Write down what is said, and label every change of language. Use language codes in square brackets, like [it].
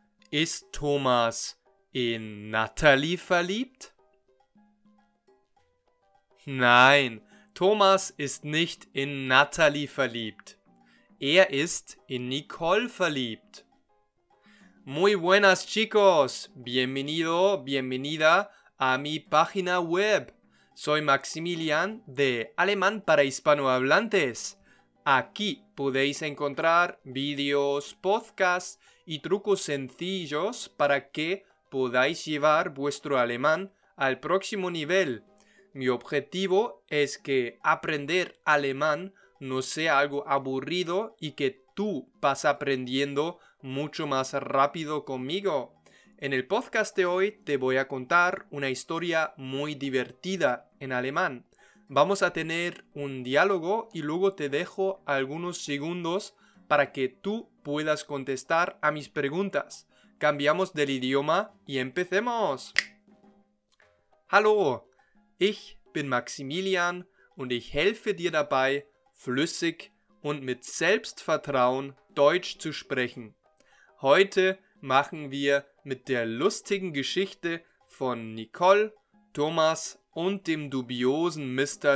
[de] Ist Thomas in Natalie verliebt? Nein, Thomas ist nicht in Natalie verliebt. Er ist in Nicole verliebt. [es] Muy buenas, chicos. Bienvenido, bienvenida a mi página web. Soy Maximilian de Alemán para Hispanohablantes. Aquí podéis encontrar vídeos, podcasts y trucos sencillos para que podáis llevar vuestro alemán al próximo nivel. Mi objetivo es que aprender alemán no sea algo aburrido y que tú vas aprendiendo mucho más rápido conmigo. En el podcast de hoy te voy a contar una historia muy divertida en alemán. Vamos a tener un diálogo y luego te dejo algunos segundos para que tú puedas contestar a mis preguntas. Cambiamos del idioma y empecemos. [de] Hallo, ich bin Maximilian und ich helfe dir dabei, flüssig und mit Selbstvertrauen Deutsch zu sprechen. Heute machen wir mit der lustigen Geschichte von Nicole, Thomas und dem dubiosen Mr.